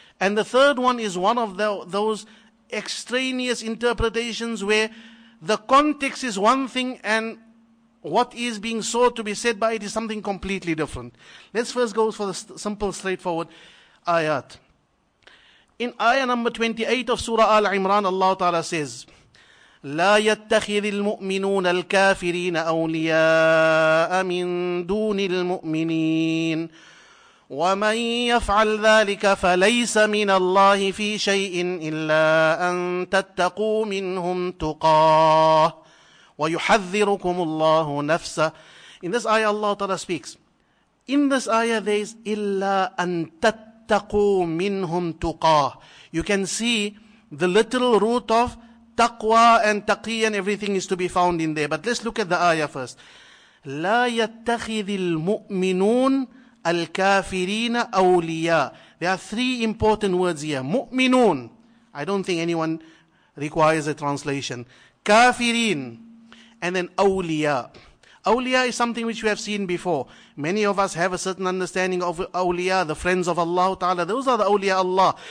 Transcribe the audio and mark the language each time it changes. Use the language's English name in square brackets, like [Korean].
[English] And the third one is one of those extraneous interpretations where the context is one thing and what is being sought to be said by it is something completely different. Let's first go for the simple, straightforward ayat. In ayah number 28 of Surah Al Imran, Allah Ta'ala says, [Arabic] لَا يَتَّخِذِ الْمُؤْمِنُونَ الْكَافِرِينَ أَوْلِيَاءَ مِن دُونِ الْمُؤْمِنِينَ وَمَنْ يَفْعَلْ ذَلِكَ فَلَيْسَ مِنَ اللَّهِ فِي شَيْءٍ إِلَّا أَن تَتَّقُوا مِنْهُمْ تُقَاهُ وَيُحَذِّرُكُمُ اللَّهُ نَفْسَهُ. [English] In this ayah, Allah Ta'ala speaks. In this ayah, there is [Arabic] إِلَّا أَن تَتَّقُوا مِنْهُمْ تُقَاهُ. [English] You can see the literal root of taqwa and taqiyya and everything is to be found in there. But let's look at the ayah first. [Arabic] لَا يَتَّخِذِ الْمُؤْمِنُونَ الكافرين أولياء. [English] There are three important words here. [Arabic] مؤمنون. [English] I don't think anyone requires a translation. [Arabic] كافرين. [English] And then أولياء. أولياء is something which we have seen before. Many of us have a certain understanding of أولياء, the friends of Allah Ta'ala. Those are the أولياء Allah.